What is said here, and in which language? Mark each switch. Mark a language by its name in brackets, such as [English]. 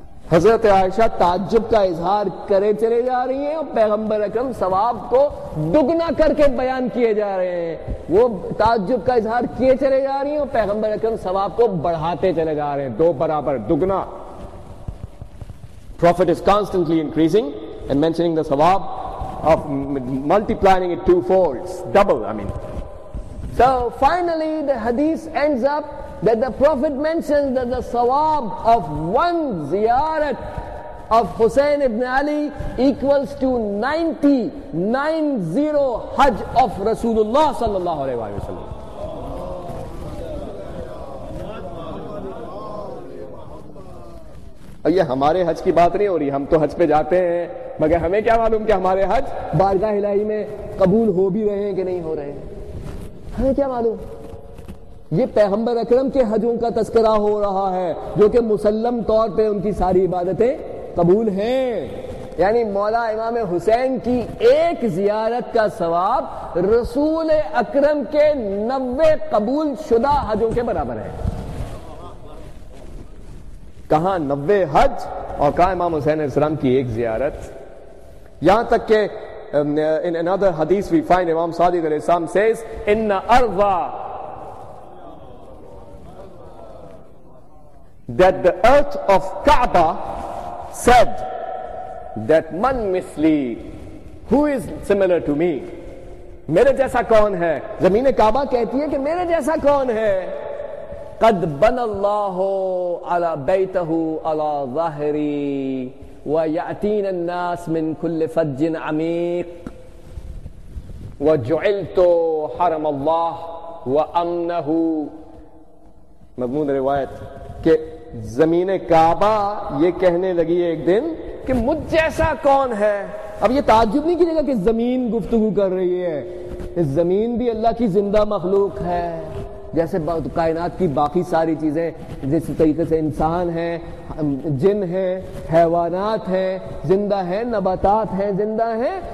[Urdu] حضرت عائشہ تعجب کا اظہار کرے چلے جا رہی ہیں اور پیغمبر اکرم ثواب کو دگنا کر کے بیان کیے جا رہے ہیں. وہ تعجب کا اظہار کیے چلے جا رہی ہیں اور پیغمبر اکرم ثواب کو بڑھاتے چلے جا رہے ہیں, دو برابر دگنا. [English] Prophet is constantly increasing and mentioning the ثواب of multiplying it twofold, double, I mean. So finally the hadith ends up that the Prophet mentions that the sawab of one ziyarat of Hussein ibn Ali equals to 90 hajj of Rasulullah sallallahu alayhi wa sallam. [Urdu] یہ ہمارے حج کی بات نہیں ہو رہی, ہم تو حج پہ جاتے ہیں مگر ہمیں کیا معلوم کہ ہمارے حج بارگاہ الہی میں قبول ہو بھی رہے ہیں کہ نہیں ہو رہے ہیں, ہمیں کیا معلوم. یہ پیغمبر اکرم کے حجوں کا تذکرہ ہو رہا ہے جو کہ مسلم طور پہ ان کی ساری عبادتیں قبول ہیں. یعنی مولا امام حسین کی ایک زیارت کا ثواب رسول اکرم کے 90 قبول شدہ حجوں کے برابر ہے. کہاں 90 حج اور کہاں امام حسین علیہ السلام کی ایک زیارت. یہاں تک کہ [English] in another [Urdu] حدیث [English] we find [Urdu] امام صادق علیہ السلام says in ارضا [English] that the earth of Kaaba said that [Arabic] من مثلی [English] who is similar to me, [Urdu] میرے جیسا کون ہے. زمین کعبہ کہتی ہے کہ میرے جیسا کون ہے. [Arabic] قد بن الله على بيته على ظهري ويأتين الناس من كل فج عميق وجعلت حرم الله وأمنه. [Urdu] مضمون روایت کہ زمین کعبہ یہ کہنے لگی ایک دن کہ مجھ جیسا کون ہے. اب یہ تعجب نہیں کیجیے گا کہ زمین گفتگو کر رہی ہے, اس زمین بھی اللہ کی زندہ مخلوق ہے جیسے کائنات کی باقی ساری چیزیں, جس طریقے سے انسان ہیں, جن ہیں, حیوانات ہیں, زندہ ہیں, نباتات ہیں, زندہ ہیں.